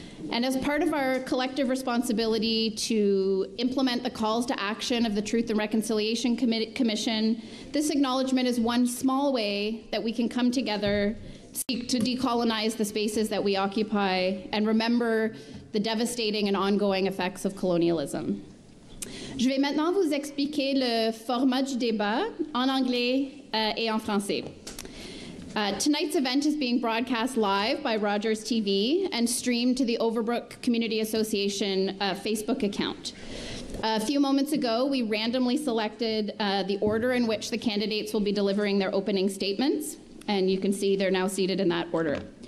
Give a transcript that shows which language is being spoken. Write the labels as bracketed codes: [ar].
[en] And as part of our collective responsibility to implement the calls to action of the Truth and Reconciliation Commission, this acknowledgement is one small way that we can come together, seek to decolonize the spaces that we occupy, and remember the devastating and ongoing effects of colonialism. [fr] Je vais maintenant vous expliquer le format du débat en anglais et en français. [en] Tonight's event is being broadcast live by Rogers TV and streamed to the Overbrook Community Association Facebook account. A few moments ago, we randomly selected the order in which the candidates will be delivering their opening statements, and you can see they're now seated in that order.